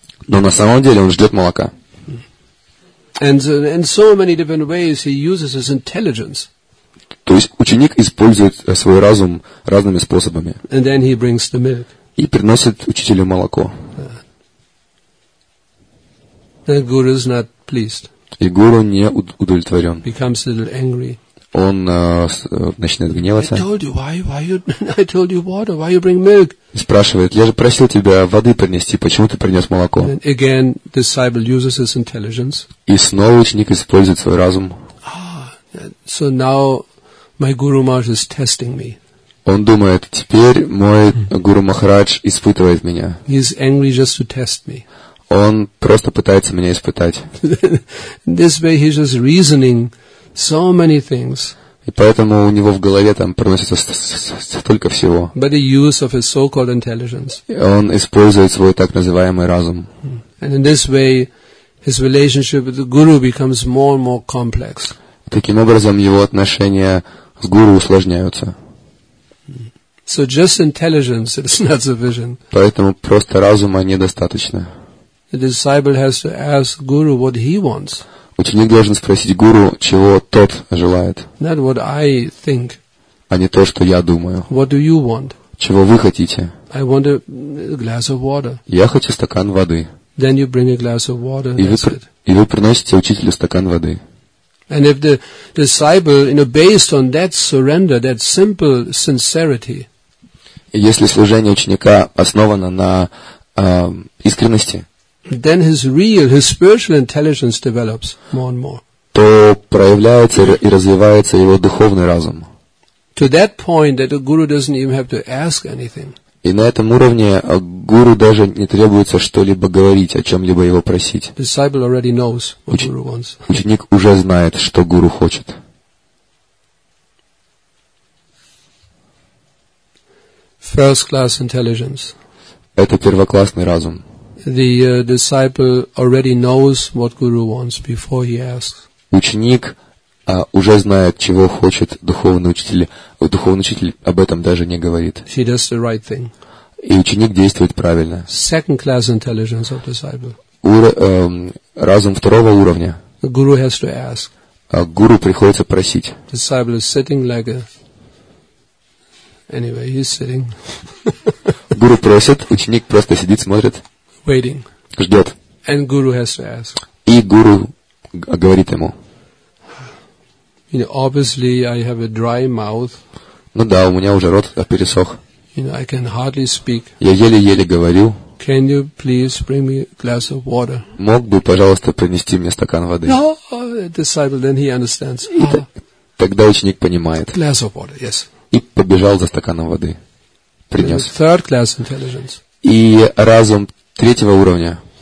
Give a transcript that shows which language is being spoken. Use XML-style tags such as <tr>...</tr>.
<ru>Но на самом деле он ждет молока.</ru> <en>And so many different ways he uses his intelligence.</en> <ru>То есть ученик использует свой разум разными способами.</ru> <en>And then he brings the milk.</en> <ru>И приносит учителю молоко.</ru> <en>The guru is not pleased.</en> <ru>И гуру не удовлетворен.</ru> <en>Becomes a little angry.</en> <ru>Он начинает гневаться.</ru> <en>I told you why I told you water, why you bring milk?</en> <ru>Спрашивает, я же просил тебя воды принести, почему ты принес молоко?</ru> <en>And again, disciple uses his intelligence.</en> <ru>И снова ученик использует свой разум.</ru> <en>So now my Guru Maharaj is testing me.</en> <ru>Он думает, теперь мой Гуру Махарадж испытывает меня.</ru> <en>He is angry just to test me.</en> <ru>Он просто пытается меня испытать.</ru> <en>This way he's just reasoning so many things.</en> <ru>И поэтому у него в голове там проносится столько всего.</ru> <en>By the use of his so-called intelligence.</en> <ru>Он использует свой так называемый разум.</ru> <en>And in this way his relationship with the Guru becomes more and more complex.</en> <ru>Таким образом, его отношения с гуру усложняются.</ru> <en>So just intelligence is not sufficient.</en> <ru>Поэтому просто разума недостаточно.</ru> <en>The disciple has to ask guru what he wants.</en> <ru>Ученик должен спросить гуру, чего тот желает.</ru> <en>Not what I think.</en> <ru>А не то, что я думаю.</ru> <en>What do you want?</en> <ru>Чего вы хотите?</ru> <en>I want a glass of water.</en> <ru>Я хочу стакан воды.</ru> <en>Then you bring a glass of water.</en> <ru>И вы приносите учителю стакан воды.</ru> <en>And if the disciple, you know, based on that surrender, that simple sincerity.</en> <ru>Если служение ученика основано на искренности.</ru> <en>Then his real, his spiritual intelligence develops more and more.</en> <ru>То проявляется и развивается его духовный разум.</ru> <en>To that point that the guru doesn't even have to ask anything.</en> <ru>И на этом уровне гуру даже не требуется что-либо говорить, о чем-либо его просить.</ru> <en>Disciple already knows what guru wants.</en> <ru>Ученик уже знает, что гуру хочет.</ru> <en>First class intelligence.</en> <ru>Это первоклассный разум.</ru> <en>The disciple already knows what guru wants before he asks.</en> <ru>Ученик уже знает, чего хочет духовный учитель. Духовный учитель об этом даже не говорит.</ru> <en>He does the right thing.</en> <ru>И ученик действует правильно.</ru> <en>Second class intelligence of disciple.</en> <ru>Разум второго уровня.</ru> <en>The guru has to ask.</en> <ru>Гуру приходится просить.</ru> <en>Disciple is sitting like a... Anyway, he's sitting.</en> <ru>Гуру просит, ученик просто сидит, смотрит.</ru> <en>Waiting.</en> <ru>Ждет.</ru> <en>And guru has to ask.</en> <ru>И гуру говорит ему.</ru> <en>You know, obviously I have a dry mouth.</en> <ru>Ну да, у меня уже рот пересох.</ru> <en>You know, I can hardly speak.</en> <ru>Я еле-еле говорю.</ru> <en>Can you please bring me a glass of water?</en> <ru>Мог бы, пожалуйста, принести мне стакан воды?</ru> <en>No, disciple, then he understands.</en> <ru>Тогда ученик понимает.</ru> <en>Glass of water, yes.</en> <ru>И побежал за стаканом воды. Принес.</ru> <en>Third class intelligence.</en> <ru>И разум третьего уровня.</ru>